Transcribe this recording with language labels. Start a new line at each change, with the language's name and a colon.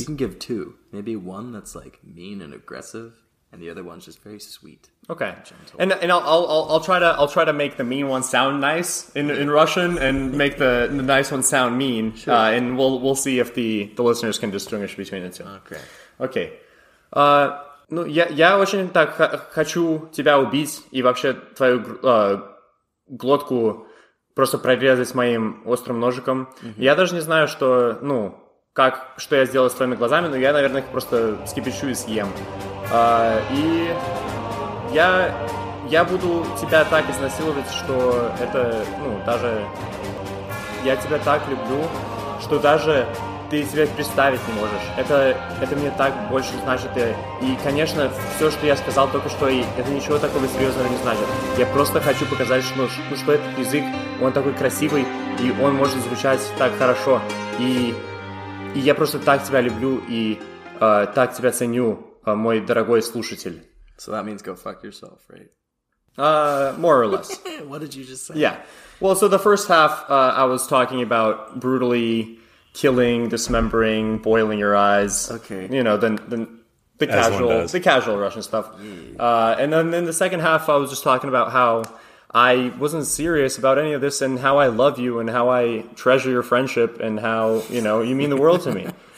English: You can give two. Maybe one that's, like, mean and aggressive. And the other one's just very sweet, okay, and gentle. And I'll try to make the mean one sound nice in Russian, and make the nice one sound mean. Sure. And we'll see if the listeners can distinguish between the two. Okay.
Russian: Ну я очень так хочу тебя убить и вообще твою глотку просто прорезать моим острым ножиком. Я даже не знаю, что ну как что я сделаю с твоими глазами, но я наверное их просто скипячу и съем. И я буду тебя так изнасиловать, что это, ну, даже я тебя так люблю, что даже ты себе представить не можешь. Это мне так больше значит. И, конечно, все, что я сказал только что, это ничего такого серьезного не значит. Я просто хочу показать, что этот язык, он такой красивый, и он может звучать так хорошо. И я просто так тебя люблю, и так тебя ценю. Мой дорогой слушатель.
English: So that means go fuck yourself, right? More or less. What did you just say? Yeah. Well, so the first half, I was talking about brutally killing, dismembering, boiling your eyes. Okay. You know, the casual, the casual Russian stuff. Yeah. And then in the second half, I was just talking about how I wasn't serious about any of this and how I love you and how I treasure your friendship and how, you know, you mean the world to me.